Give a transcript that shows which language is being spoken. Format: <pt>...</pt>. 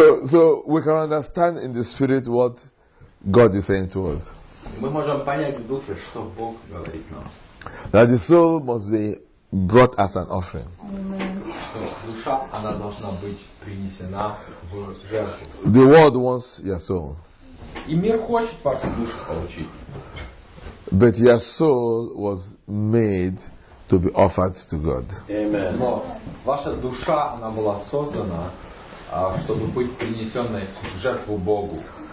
<en>So we can understand in the spirit what God is saying to us.</en> <ru>Мы можем понять в духе, что Бог говорит нам.</ru> <en>That the soul must be brought as an offering.</en> <ru>Что душа, она должна быть принесена в жертву.</ru> <en>The world wants your soul.</en> <ru>И мир хочет вашу душу получить.</ru> <en>But your soul was made to be offered to God. Amen.</en> <ru>Но ваша душа, она была создана, чтобы быть принесенной в жертву Богу.</ru>